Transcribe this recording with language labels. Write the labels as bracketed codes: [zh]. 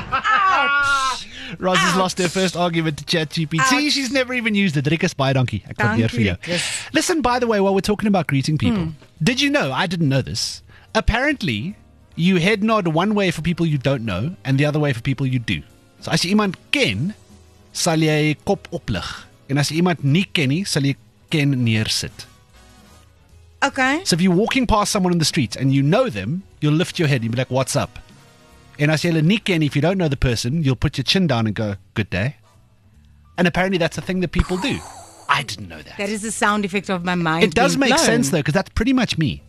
[en] Ouch! Ross has lost her first argument to ChatGPT. She's never even used it. Rikus, bye, donkey. I come here for you. Listen, by the way, while we're talking about greeting people, did you know? I didn't know this. Apparently, you head nod one way for people you don't know and the other way for people you do. [af] So as jy iemand ken, sal jy kop oplig. En as jy iemand nie ken nie, sal jy ken neersit. [en] Okay. So if you're walking past someone in the street and you know them, you'll lift your head and you'll be like, what's up? [af] En as jy hulle nie ken, [en] if you don't know the person, you'll put your chin down and go, good day. And apparently that's a thing that people do. I didn't know that. That is the sound effect of my mind. It does make sense though, because that's pretty much me.